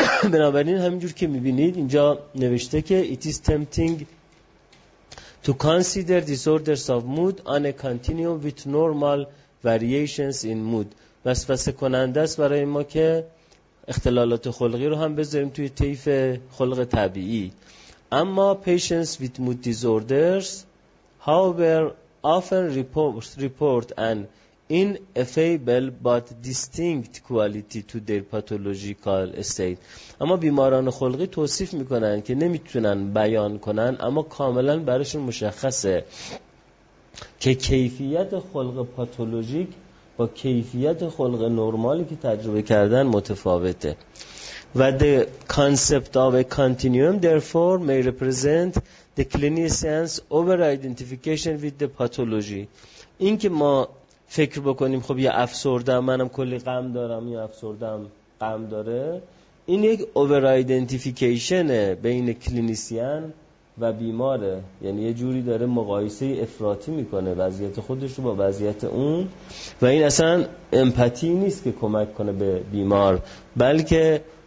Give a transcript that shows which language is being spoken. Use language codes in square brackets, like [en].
[fa] بنابراین همینجور که میبینید اینجا نوشته که [en] It is tempting to consider disorders of mood on a continuum with normal variations in mood. [fa] وسوسه کننده است برای ما که اختلالات خلقی رو هم بذاریم توی طیف خلق طبیعی. اما [en] patients with mood disorders however often report an ineffable but distinct quality to their pathological state. [fa] اما بیماران خلقی توصیف میکنن که نمیتونن بیان کنن اما کاملا براشون مشخصه که کیفیت خلق پاتولوژیک با کیفیت خلق نرمالی که تجربه کردن متفاوته. و [en] the concept of a continuum therefore may represent the clinician's over identification with the pathology. [fa] این که ما فکر بکنیم خب یه افسردم منم کلی غم دارم، یه افسردم غم داره، این یک اوور ایدنتیفیکیشنه بین کلینیسیان و بیماره. یعنی یه جوری داره مقایسه افراطی میکنه وضعیت خودش رو با وضعیت اون، و این اصلا امپاتی نیست که کمک کنه به بیمار، بلکه